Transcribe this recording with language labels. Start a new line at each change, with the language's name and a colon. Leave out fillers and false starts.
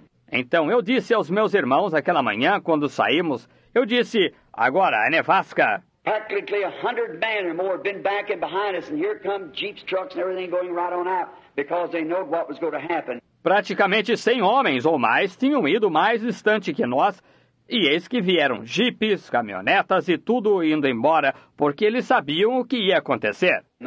Portuguese: Então eu disse aos meus irmãos aquela manhã, quando saímos, eu disse, agora a nevasca.
English: Practically 100 men or more have been back and behind us, and here come jeeps, trucks and everything going right on out, because they know what was going to happen.
Portuguese: Praticamente 100 homens ou mais tinham ido mais distante que nós, e eis que vieram jipes, caminhonetas e tudo indo embora, porque eles sabiam o que ia acontecer.